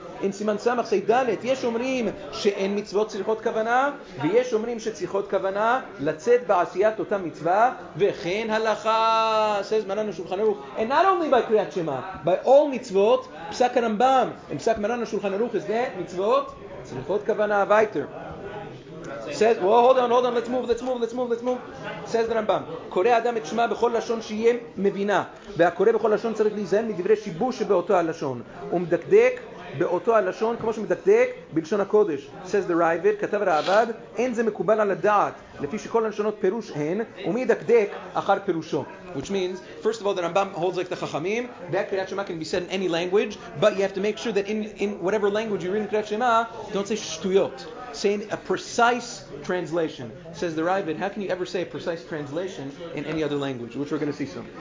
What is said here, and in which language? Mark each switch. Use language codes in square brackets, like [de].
[he] אין סימן סמך סי דלת. יש אומרים שאין מצוות צריכות כוונה, ויש אומרים שצריכות כוונה לצאת בעשיית אותה מצווה, וכן הלכה, עשה זמנן השולחן ערוך. [en] And not only by קריאת שמה, by all מצוות, פסק הרמב״ם, and פסק מרן השולחן ערוך, זה מצוות צריכות כוונה. [he] ויתר. [en] Says, well, hold on, let's move. Says the Rambam, [he] קורא אדם את שמע בכל לשון שיהיה מבינה, והקורא בכל לשון צריך להיזהר מדברי שיבוש שבאותו הלשון, ומדקדק באותו הלשון, כמו שמדקדק בלשון הקודש. [en] Says the Ravid, [he] כתב הרעבד, אין זה מקובל על הדעת, לפי שכל הלשונות פירוש הן, ומי ידקדק אחר פירושו. [en] Which means, first of all, the Rambam holds like the Chachamim, that Kriyat Shema can be said in any language, but you have to make sure that in whatever language you read in Kriyat Shema, don't say shtuyot. Saying a precise translation, says the Ravid. How can you ever say a precise translation in any other language, which we're going to see soon?